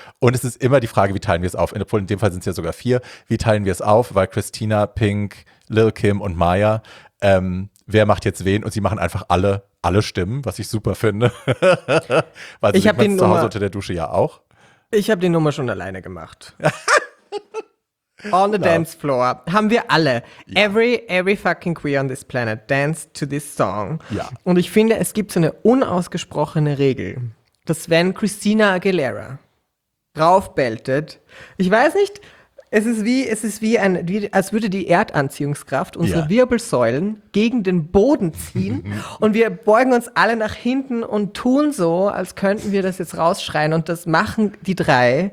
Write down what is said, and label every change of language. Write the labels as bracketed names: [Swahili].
[German] Und es ist immer die Frage, wie teilen wir es auf? Obwohl in dem Fall sind es ja sogar vier. Wie teilen wir es auf? Weil Christina, Pink, Lil' Kim und Maya, wer macht jetzt wen? Und sie machen einfach alle Stimmen, was ich super finde. Weil ich habe die zu Hause unter der Dusche ja auch. Ich habe die Nummer schon alleine gemacht. [English] On the dance floor [German] haben wir alle, ja. [English] every fucking queer on this planet danced to this song. [German] Ja. Und ich finde, es gibt so eine unausgesprochene Regel, dass wenn Christina Aguilera draufbeltet, ich weiß nicht, als würde die Erdanziehungskraft unsere Wirbelsäulen gegen den Boden ziehen und wir beugen uns alle nach hinten und tun so, als könnten wir das jetzt rausschreien und das machen die drei.